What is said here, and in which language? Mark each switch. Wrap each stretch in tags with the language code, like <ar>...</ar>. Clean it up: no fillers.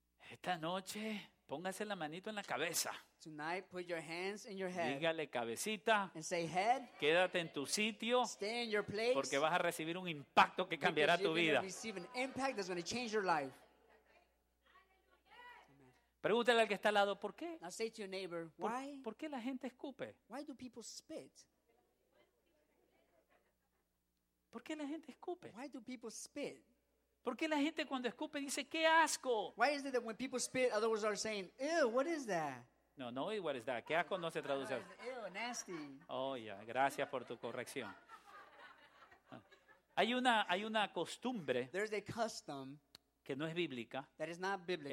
<es>Esta noche póngase la manito en la cabeza.</es> <en>Tonight, put your hands in your head.</en> <es>Dígale cabecita.</es> <en>And say head.</en> <es>Quédate en tu sitio.</es> <en>Stay in your place.</en> <es>Porque vas a recibir un impacto que cambiará tu vida.</es> <en>Because you're going to receive an impact that's going to change your life.</en> <es>Pregúntale al que está al lado, ¿por qué?</es> <en>Now say to your neighbor, why?</en> <es>¿Por qué la gente escupe?</es> <en>Why do people spit?</en> <es>¿Por qué la gente escupe?</es> <en>Why do people spit?</en> <es>¿Por qué la gente cuando escupe dice qué asco?</es> <en>Why is it that when people spit, others are saying, ew, what is that? No, no, what is that?</en> <es>Qué asco no se traduce.</es> <en>Ew, nasty. Oh, yeah,</en> <es>gracias por tu corrección. Hay una costumbre.</es> <en>There's a custom.</en> <es>Que no es bíblica.</es> <en>That is not biblical.</en>